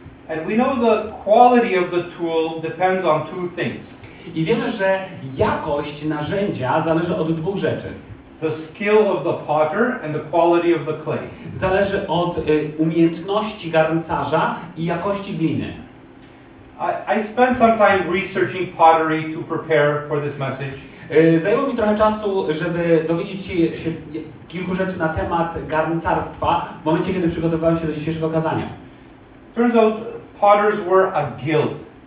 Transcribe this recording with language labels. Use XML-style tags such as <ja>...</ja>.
<en>And we know the quality of the tool depends on two things.</en> <pl>I wiemy, że jakość narzędzia zależy od dwóch rzeczy.</pl> <en>The skill of the potter and the quality of the clay.</en> <pl>Zależy od umiejętności garncarza i jakości gliny.</pl> <en>I spent some time researching pottery to prepare for this message.</en> <pl>Zajęło mi trochę czasu, żeby dowiedzieć się kilku rzeczy na temat garncarstwa w momencie, kiedy przygotowywałem się do dzisiejszego kazania.</pl> <en>Turns out potters were a guild.</en>